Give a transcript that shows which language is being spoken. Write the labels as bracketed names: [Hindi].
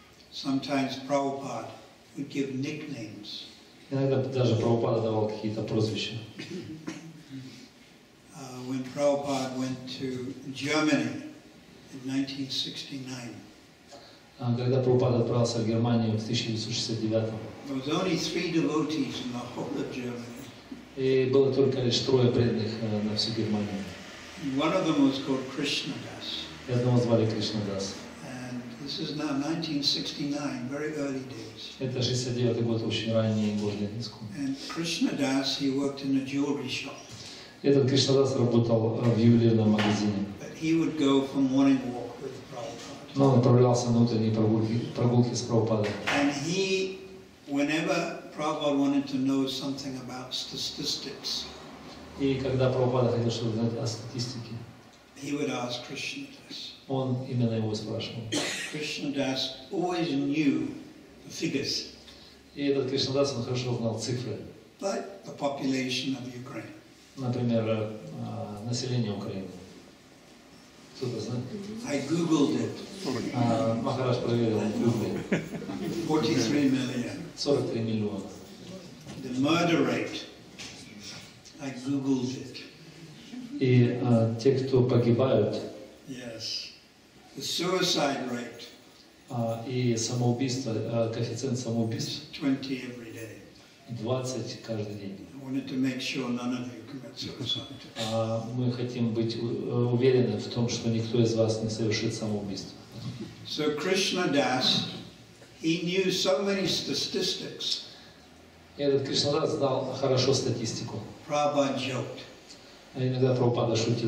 [English] Sometimes Prabhupada would give nicknames. [Russian] Иногда даже Прабхупада давал какие-то прозвища. [English] When Prabhupada went to Germany in 1969, [Russian] когда Прабхупада отправился в Германию в 1969, [English] there was only three devotees in the whole of Germany. [Russian] И было только лишь трое преданных на всю Германию. [English] One of them was called Krishna Das. [Russian] И одного звали Кришна Дас. [English] And this is now 1969, very early days. [Russian] Это 69-й год, очень ранний год для Диску. [English] And Krishna Das, he worked in a jewelry shop. [Russian] Этот Кришна Дас работал в ювелирном магазине. [English] But he would go for morning walk with Prabhupada. [Russian] Но он отправлялся на утренние прогулки с Прабхупадой. [English] And he, whenever Prabhupada wanted to know something about statistics, [Russian] и когда Прабхупада хотел что-то знать о статистике, [English] he would ask Krishna Das. [Russian] Он именно его спрашивал. [English] Krishna Das always knew figures. [Russian] И этот Кришна Дас, он хорошо знал цифры. [English] Like the population of Ukraine. [Russian] Например, население Украины. Кто-то знает? [English] I googled it. [Russian] Махарадж проверил в Гугле. [English] 43 million. [Russian] 43 миллиона. [English] The murder rate. I googled it. [Russian] И те, кто погибают. [English] Yes. The suicide rate. [Russian] И самоубийство, коэффициент самоубийств [English] 20 every day. [Russian] 20 каждый день. [English] wanted to make sure none of you commit suicide. [Russian] Мы хотим быть уверены в том, что никто из вас не совершит самоубийство. [English] So Krishna Das, he knew so many statistics. [Russian] Этот Кришнадас знал хорошо статистику. [English] Prabhupada joked. [Russian] А иногда Прабхупада шутил.